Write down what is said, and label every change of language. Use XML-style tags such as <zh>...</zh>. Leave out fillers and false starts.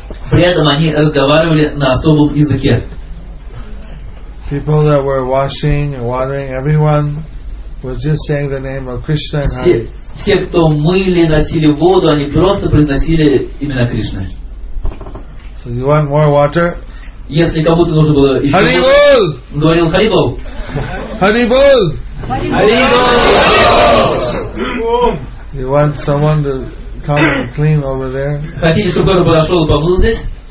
<ru>При этом они разговаривали на особом языке.</ru> <en>People that were washing and watering, everyone was just saying the name of Krishna and Hari.</en> <ru>Все, кто мыли, носили воду, они просто произносили имена Кришны.</ru> <en>So you want more water?</en> <ru>Если кому-то нужно было еще.</ru> <bn>Hari Bol!</bn> <ru>Говорил Hari Bol.</ru> <bn>Hari Bol! Hari Bol!</bn> <en>You want someone to come and clean over there?</en> <ru>Хотите, чтобы кто-то подошел и помыл здесь?</ru>